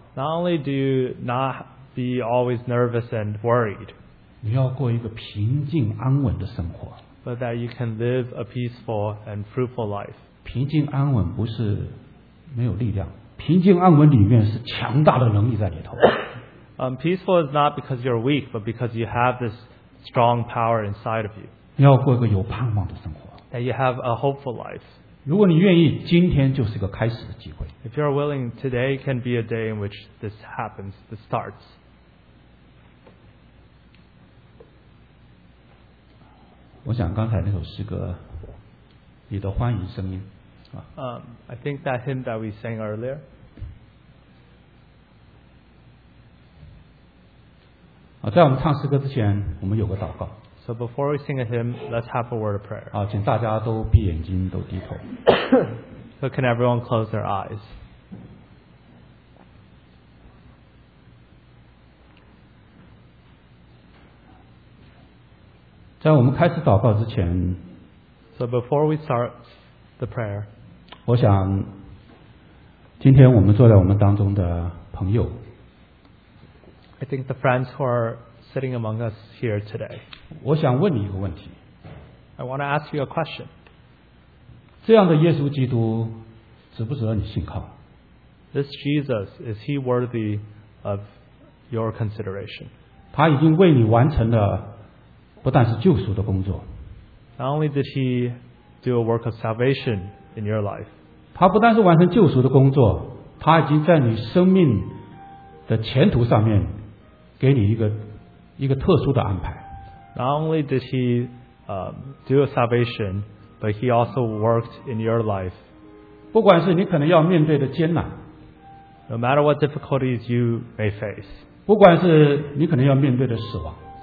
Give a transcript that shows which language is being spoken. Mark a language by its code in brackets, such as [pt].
[en] not only do you not be always nervous and worried, [zh] 你要过一个平静安稳的生活, [en] but that you can live a peaceful and fruitful life. [zh] 平静安稳不是没有力量, 平静安稳里面是强大的能力在里头, [en] peaceful is not because you're weak, but because you have this strong power inside of you. [zh] 你要过一个有盼望的生活, [en] that you have a hopeful life. [zh] 如果你愿意,今天就是个开始的机会, [en] if you are willing, today can be a day in which this happens, this starts. [zh] 我想刚才那首诗歌, 你的欢迎声音, [en] I think that hymn that we sang earlier, [zh] 在我们唱诗歌之前, 我们有个祷告, [en] so before we sing a hymn, let's have a word of prayer. [zh] 请大家都闭眼睛, 都低头, [en] so can everyone close their eyes? [zh] 在我们开始祷告之前, [en] so before we start the prayer, [zh] 我想今天我们坐在我们当中的朋友, [en] I think the friends who are sitting among us here today, [zh] 我想问你一个问题, [en] I want to ask you a question. [zh] 这样的耶稣基督, 值不值得你信靠? [en] This Jesus, is he worthy of your consideration? [zh] 他已经为你完成了不但是救赎的工作, [en] not only did he do a work of salvation in your life, [zh] 他不但是完成救赎的工作, 他已经在你生命的前途上面 给你一个特殊的安排, [en] not only did he do a salvation, but he also worked in your life. [zh] 不管是你可能要面对的艰难, [en] no matter what difficulties you may face, [zh] 不管是你可能要面对的死亡,